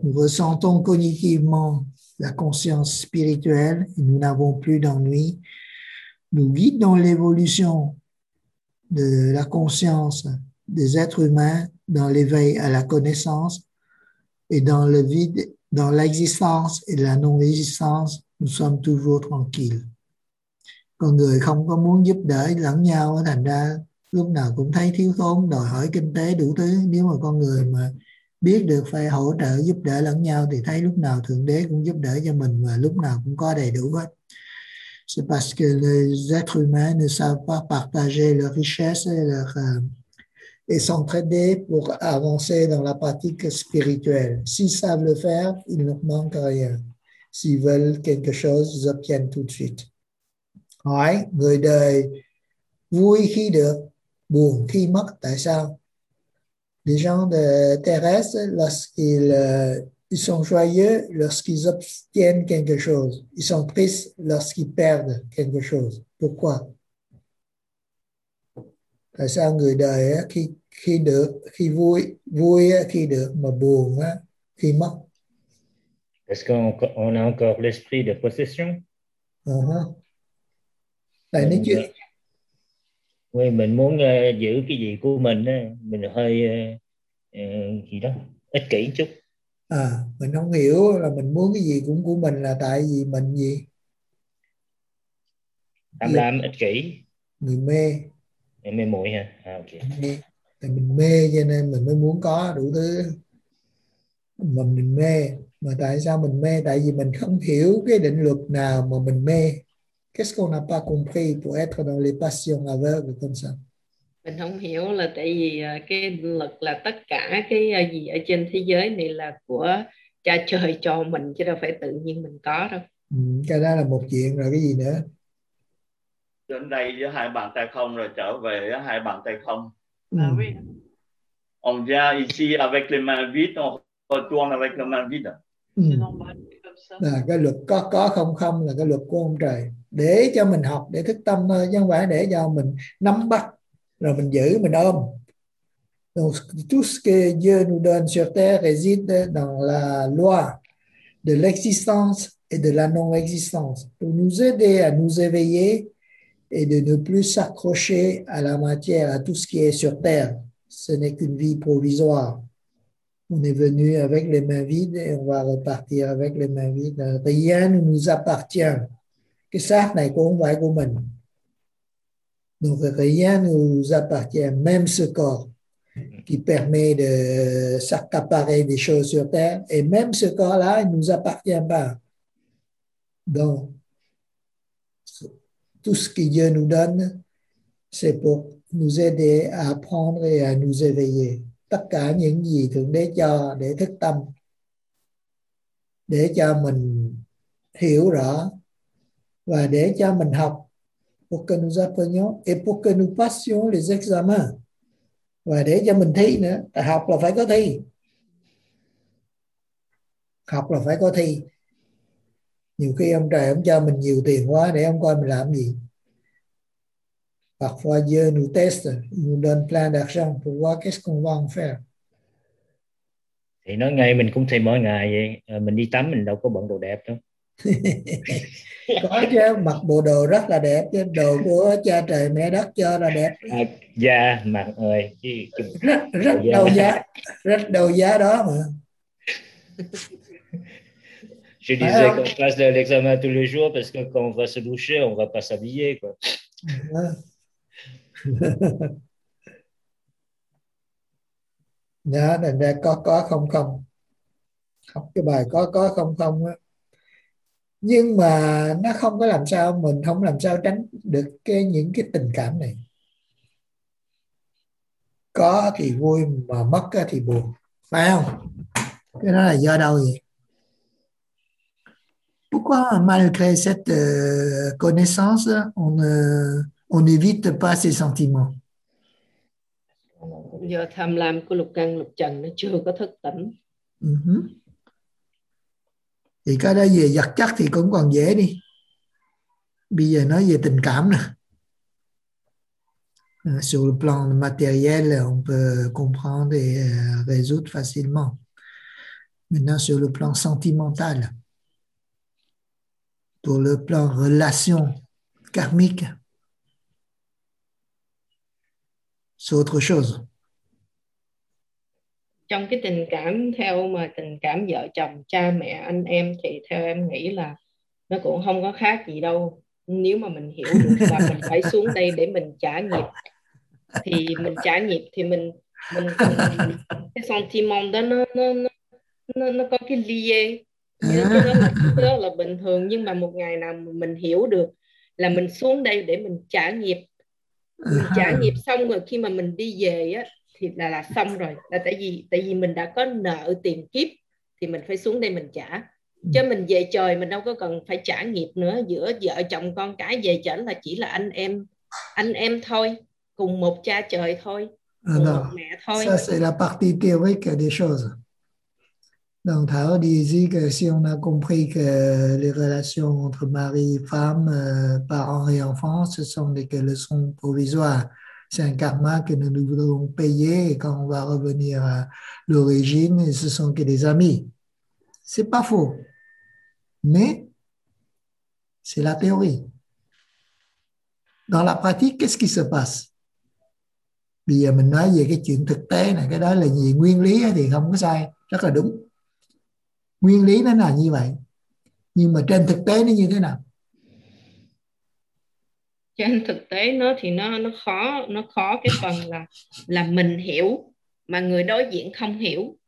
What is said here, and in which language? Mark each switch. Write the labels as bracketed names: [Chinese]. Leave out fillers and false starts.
[French] Nous ressentons cognitivement la conscience spirituelle, et nous n'avons plus d'ennui. Nous guidons l'évolution de la conscience des êtres humains dans l'éveil à la connaissance et dans le vide, dans l'existence et la non-existence, nous sommes toujours tranquilles. [Vietnamese] Con người không có muốn giúp đỡ lẫn nhau, thành ra lúc nào cũng thấy thiếu thốn, đòi hỏi kinh tế đủ thứ. Nếu mà con người mà biết được phải hỗ trợ giúp đỡ lẫn nhau thì thấy lúc nào Thượng Đế cũng giúp đỡ cho mình và lúc nào cũng có đầy đủ hết. [French] C'est parce que les êtres humains ne savent pas partager leur richesse et leur et s'entraider pour avancer dans la pratique spirituelle. S'ils savent le faire, il ne leur manque rien. S'ils veulent quelque chose, ils obtiennent tout de suite. [Vietnamese] Ouais, người đời vui khi được, buồn khi mất, tại sao? [French] Les gens de terrestre, lorsqu'ils sont joyeux, lorsqu'ils obtiennent quelque chose. Ils sont tristes lorsqu'ils perdent quelque chose. Pourquoi? [Vietnamese] Tại sao người đời khi được, khi vui, vui khi được, mà buồn khi mất? [French] Est-ce qu'on a encore l'esprit de possession? [Vietnamese] Tại nó chưa. Oui, mình muốn giữ cái gì của mình, mình hơi gì đó, ích kỷ chút. À, mình không hiểu là mình muốn cái gì cũng của mình là tại vì mình gì? Tham lam, ích kỷ. Người mê. Mình mê mũi hả? À, okay. Mình mê cho nên mình mới muốn có đủ thứ. Mà mình mê. Mà tại sao mình mê? Tại vì mình không hiểu cái định luật nào mà mình mê. [French] Qu'est-ce qu'on n'a pas compris pour être dans les passions aveugles comme ça? [Vietnamese] Mình không hiểu là tại vì cái lực là tất cả cái gì ở trên thế giới này là của cha trời cho mình chứ đâu phải tự nhiên mình có đâu. Cái đó là một chuyện rồi, cái gì nữa? Yeah. đến đây với hai bàn tay không rồi trở về với hai bàn tay không. [French] On vient ici avec les mains vides, on retourne avec les mains vides. [Vietnamese] Là cái luật có không không là cái luật của ông trời, để cho mình học, để thức tâm thôi, chứ không phải để cho mình nắm bắt rồi mình giữ mình ôm. [French] Donc tout ce que Dieu nous donne sur terre réside dans la loi de l'existence et de la non-existence pour nous aider à nous éveiller et de ne plus s'accrocher à la matière, à tout ce qui est sur terre. Ce n'est qu'une vie provisoire. On est venu avec les mains vides et on va repartir avec les mains vides. Rien ne nous appartient. [Vietnamese] Cái xác này cũng không phải của mình. [French] Donc rien ne nous appartient, même ce corps qui permet de s'accaparer des choses sur terre. Et même ce corps-là, il ne nous appartient pas. Donc, tout ce que Dieu nous donne, c'est pour nous aider à apprendre et à nous éveiller. [Vietnamese] Tất cả những gì Thượng Đế cho để thức tâm, để cho mình hiểu rõ và để cho mình học, [French] pour que nous apprenions et pour que nous passions les examens, [Vietnamese] và để cho mình thi nữa. Học là phải có thi, học là phải có thi. Nhiều khi ông trời ông cho mình nhiều tiền quá để ông coi mình làm gì. [French] Parfois Dieu nous teste, nous donne plein d'argent pour voir qu'est-ce qu'on va en faire. [Vietnamese] Thì nói ngay mình cũng thi mỗi ngày vậy, mình đi tắm mình đâu có bận đồ đẹp đâu. Có chứ, mặc bộ đồ rất là đẹp, chứ đồ của cha trời mẹ đất cho là đẹp. Dạ, yeah, mặc ơi. Rất yeah. Đầu giá, rất đầu giá đó mà. [French] Je disais qu'on passe l'examen tous les jours parce que quand on va se doucher, on va pas s'habiller quoi. [Vietnamese] Nhớ nên ra có không không, học cái bài có không không á, nhưng mà nó không có làm sao, mình không làm sao tránh được cái những cái tình cảm này. Có thì vui mà mất thì buồn, phải không? Cái đó là do đâu vậy? [French] Pourquoi malgré cette connaissance on évite pas ces sentiments? [Vietnamese] Do tham lam của lục căn lục trần nó chưa có thức tỉnh. Thì cái đó về vật chất thì cũng còn dễ đi. Bây giờ nói về tình cảm nè. [French] Sur le plan matériel, on peut comprendre et résoudre facilement. Maintenant, sur le plan sentimental, pour le plan relation karmique, c'est autre chose. [Vietnamese] Trong cái tình cảm theo mà tình cảm vợ chồng, cha mẹ, anh em thì theo em nghĩ là nó cũng không có khác gì đâu. Nếu mà mình hiểu được là mình phải xuống đây để mình trả nghiệp, thì mình trả nghiệp thì mình cái sentiment đó nó có cái liên, nó là bình thường. Nhưng mà một ngày nào mình hiểu được là mình xuống đây để mình trả nghiệp, mình trả nghiệp xong rồi khi mà mình đi về á thì là xong rồi, là tại vì mình đã có nợ tiền kiếp thì mình phải xuống đây mình trả. Chứ mình về trời mình đâu có cần phải trả nghiệp nữa, giữa vợ chồng con cái về trở là chỉ là anh em thôi, cùng một cha trời thôi, cùng một mẹ thôi. [French] Ça c'est la partie théorique des choses. Donc Thảo đi dit que si on a compris que les relations entre mari, femme, parents et enfants, ce sont des leçons provisoires. C'est un karma que nous devons payer et quand on va revenir à l'origine, ce sont que des amis. C'est pas faux, mais c'est la théorie. Dans la pratique, qu'est-ce qui se passe? [Vietnamese] Bây giờ mình nói về cái chuyện thực tế này, cái đó là gì? Nguyên lý thì không có sai, rất là đúng. Nguyên lý nó là như vậy, nhưng mà trên thực tế nó như thế nào? Trên thực tế nó thì nó khó cái phần là mình hiểu mà người đối diện không hiểu.